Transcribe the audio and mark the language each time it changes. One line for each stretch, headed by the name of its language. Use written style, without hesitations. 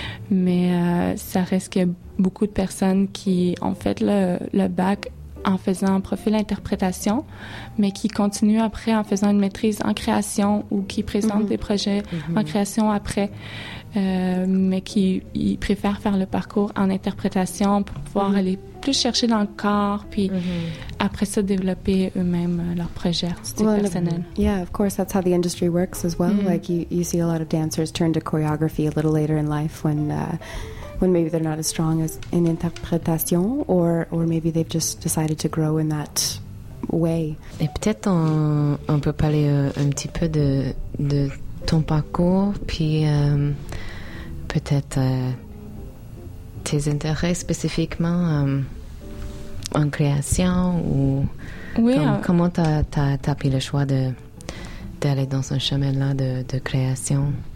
French: Mais ça reste qu'il y a beaucoup de personnes qui ont fait le bac en faisant un profil interprétation, mais qui continuent après en faisant une maîtrise en création ou qui présentent des projets en création après. Mais qui préfèrent faire le parcours en interprétation pour pouvoir aller plus chercher dans le corps, puis après ça, développer eux-mêmes leurs projets personnels.
English: Yeah, of course, that's how the industry works as well. Mm-hmm. Like, you see a lot of dancers turn to choreography a little later in life when maybe they're not as strong as in interprétation, or maybe they've just decided to grow in that way.
French: Et peut-être on peut parler un petit peu de ton parcours, puis peut-être tes intérêts spécifiquement en création ou oui, comment tu as pris le choix d'aller dans ce chemin-là de création?